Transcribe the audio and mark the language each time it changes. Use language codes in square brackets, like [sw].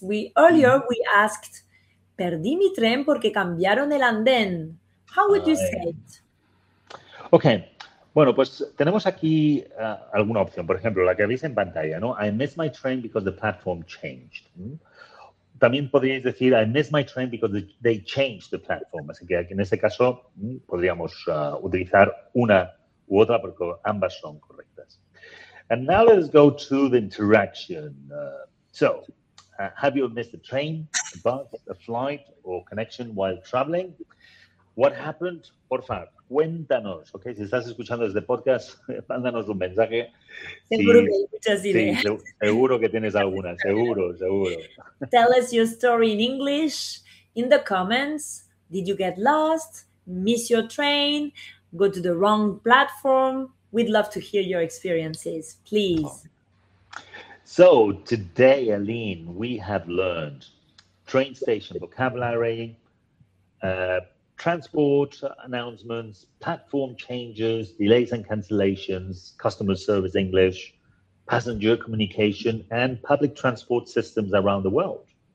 [en] We asked, [es] perdí mi tren porque cambiaron el andén. [en] How would you say it? [es] Okay. Bueno, pues tenemos aquí alguna opción. Por ejemplo, la que veis en pantalla, ¿no? [en] I missed my train because the platform changed. [es] También podríais decir, [en] I missed my train because they changed the platform. [es] Así que aquí en este caso podríamos utilizar una u otra porque ambas son correctas. [en] And now let's go to the interaction. So, Have you missed a train, a bus, a flight, or connection while traveling? What happened? [es] Por favor, cuéntanos. Okay, si estás escuchando desde podcast, mándanos un mensaje. Seguro que hay muchas ideas. Sí, seguro que tienes algunas. Seguro, seguro. [en] Tell us your story in English in the comments. Did you get lost? Miss your train? Go to the wrong platform? We'd love to hear your experiences, please. So today, Aline, we have learned train station vocabulary, transport announcements, platform changes, delays and cancellations, customer service English, passenger communication, and public transport systems around the world.